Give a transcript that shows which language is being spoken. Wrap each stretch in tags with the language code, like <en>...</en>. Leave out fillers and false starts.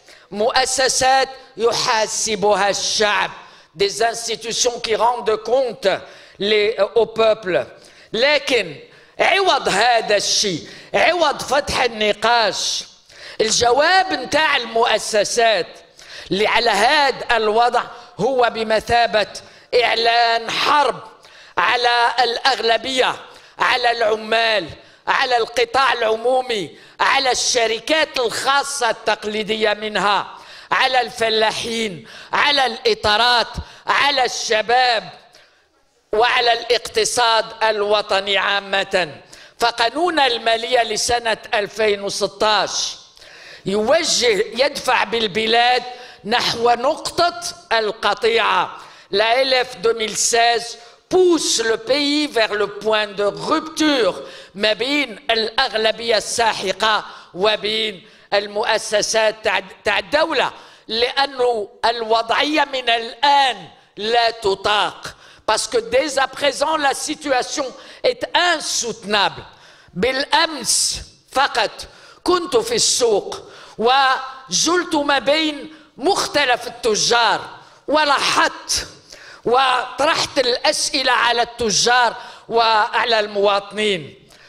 <ar>مؤسسات يحاسبها الشعب،</ar> <fr>des institutions qui rendent compte au peuple.</fr> <ar>لكن عوض هذا الشيء، عوض فتح النقاش، الجواب نتاع المؤسسات اللي على هذا الوضع هو بمثابة إعلان حرب على الأغلبية، على العمال، على القطاع العمومي، على الشركات الخاصة التقليدية منها، على الفلاحين، على الإطارات، على الشباب وعلى الاقتصاد الوطني عامة. فقانون المالية لسنة 2016 يوجه يدفع بالبلاد نحو نقطة القطيعة.</ar> <fr>La LF 2016 pousse le pays vers le point de rupture</fr> <ar>ما بين الأغلبية الساحقة وبين المؤسسات تاع الدولة، لأنه الوضعية من الآن لا تطاق.</ar> <fr>Parce que dès à présent la situation est insoutenable.</fr> <ar>بالأمس فقط كنت في السوق وجلت ما بين مختلف التجار ولاحظت وطرحت الأسئلة على التجار وعلى المواطنين.</ar>